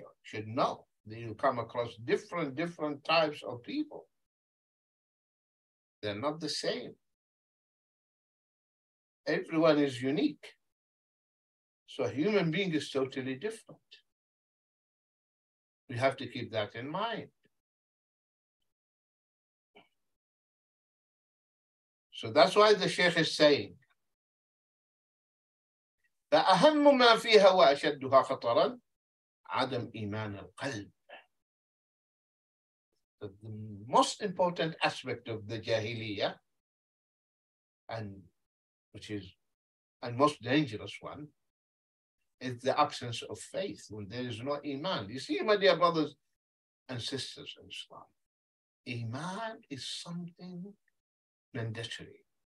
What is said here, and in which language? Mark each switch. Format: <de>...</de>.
<en>You should know that you come across different types of people. They're not the same. Everyone is unique. So a human being is totally different. We have to keep that in mind. So that's why the Sheikh is saying,</en> <ar>فَأَهَمُّ مَا فِيهَا وَأَشَدُّهَا خَطَرًا عَدَمْ إِيمَانَ الْقَلْبِ.</ar> <en>The most important aspect of the Jahiliyyah, and which is a most dangerous one, is the absence of faith when there is no Iman. You see, my dear brothers and sisters in Islam, Iman is something mandatory.</en>